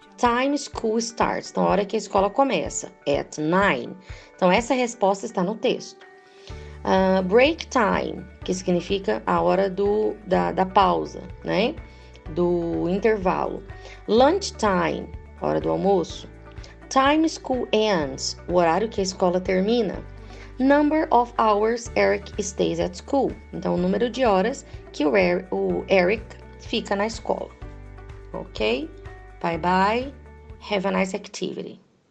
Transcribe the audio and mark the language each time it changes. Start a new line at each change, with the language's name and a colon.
English: Time school starts.
Portuguese: Então, a hora que a escola começa.
English: At 9.
Portuguese: Então, essa resposta está no texto.
English: Break time,
Portuguese: que significa a hora da pausa, né? Do intervalo.
English: Lunch time,
Portuguese: hora do almoço.
English: Time school ends,
Portuguese: o horário que a escola termina.
English: Number of hours Eric stays at school.
Portuguese: Então, o número de horas que o Eric fica na escola. Ok? Bye-bye.
English: Have a nice activity.